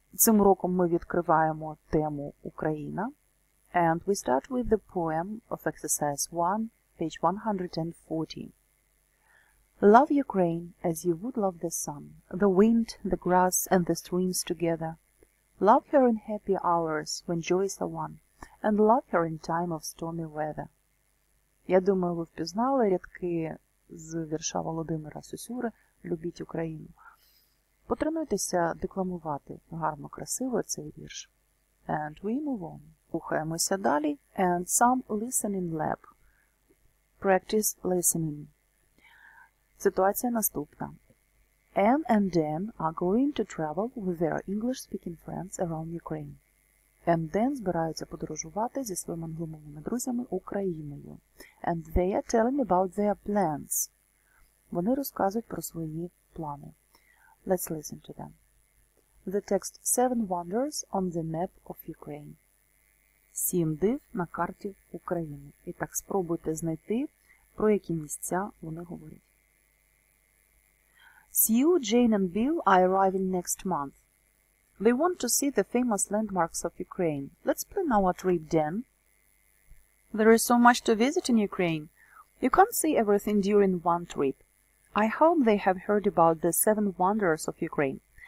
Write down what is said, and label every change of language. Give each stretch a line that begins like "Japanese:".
Ukrainian: Цим уроком ми відкриваємо тему Україна.
English: And we start with the poem of exercise 1, page 140. Love Ukraine as you would love the sun, the wind, the grass, and the streams together. Love her in happy hours when joys are won, and love her in time of stormy weather.
Ukrainian: Я думаю, ви впізнали рядки з вірша Володимира Сосюри «Любіть Україну». Потренуйтеся декламувати. Гарно, красиво цей вірш.
English: And we move on.
Ukrainian: Рухаємося далі.
English: And some listening lab. Practice listening.
Ukrainian: Ситуація наступна.
English: Anne and Dan are going to travel with their English-speaking friends around Ukraine.
Ukrainian: And Dan збираються подорожувати зі своїми англомовними друзями Україною.
English: And they are telling about their plans.
Ukrainian: Вони розказують про свої плани.
English: Let's listen to them. The text Seven Wonders on the Map of Ukraine.
Ukrainian: Сім див на карті України. І так спробуйте знайти, про які місця вони говорять.
English: Sue, Jane and Bill are arriving next month. They want to see the famous landmarks of Ukraine. Let's plan our trip, Dan. There is so much to visit in Ukraine. You can't see everything during one trip. I hope they have heard about the seven wonders of Ukraine.